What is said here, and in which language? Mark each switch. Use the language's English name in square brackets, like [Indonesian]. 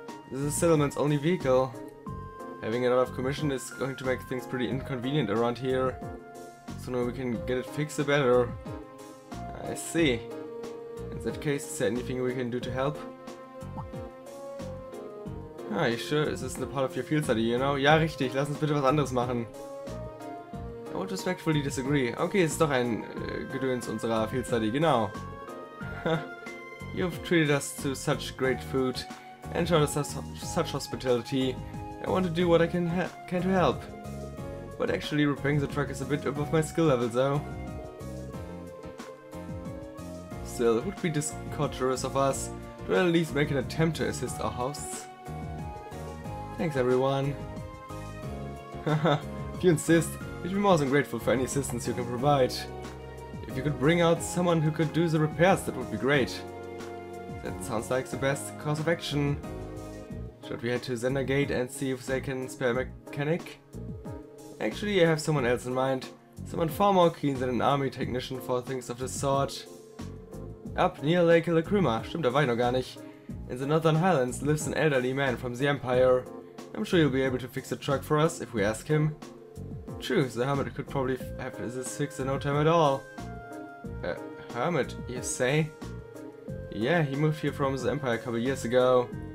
[English] This is Silliman's only vehicle. Having it out of commission is going to make things pretty inconvenient around here. Sooner we can get it fixed, the better. I see. In that case, is there anything we can do to help? Ah, you sure? Is this a part of your field study, you know? [German] Ja, richtig. Lass uns bitte was anderes machen. [English] I would respectfully disagree. [German] Okay, es ist doch ein Gedöns unserer Field Study, genau. [English] You've treated us to such great food and showed us such hospitality. I want to do what I can to help. But actually, repairing the truck is a bit above my skill level, though. Still, it would be discourteous of us to at least make an attempt to assist our hosts. Thanks, everyone. Haha, if you insist, we'd be more than grateful for any assistance you can provide. If you could bring out someone who could do the repairs, that would be great. That sounds like the best course of action. Should we head to Zender Gate and see if they can spare a mechanic? Actually, I have someone else in mind. Someone far more keen than an army technician for things of this sort. Up near Lake Ilacrima, [German] stimmt, da war ich noch gar nicht. [English] In the Northern Highlands lives an elderly man from the Empire. I'm sure he'll be able to fix the truck for us if we ask him. True, the hermit could probably have this fixed in no time at all. A hermit, you say? Yeah, he moved here from the Empire a couple years ago.